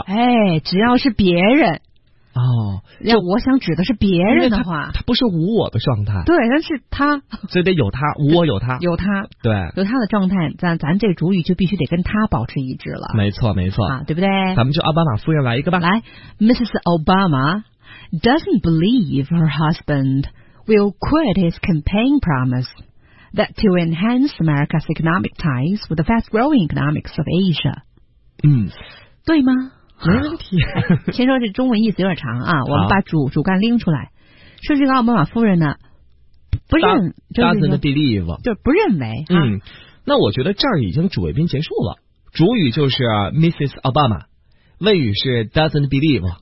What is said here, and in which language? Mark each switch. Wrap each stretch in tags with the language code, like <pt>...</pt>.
<zh>哎，只要是别人，哦，那我想指的是别人的话，他不是无我的状态，对，但是他，所以得有他，无我有他，有他，对，有他的状态，咱这主语就必须得跟他保持一致了，没错没错啊，对不对？咱们就奥巴马夫人来一个吧，来 ，Mrs.</zh> <en>Obama doesn't believe her husband will quit his campaign promise that to enhance America's economic ties with the fast-growing economics of Asia。</en> <zh>嗯，对吗？没问题。先说这中文意思有点长啊，我们把主干拎出来。说这个奥巴马夫人呢，不认，就是的 believe，就不认为。嗯，那我觉得这儿已经主谓宾结束了，主语就是 Mrs. Obama， 谓语是</zh> <en>doesn't believe，</en>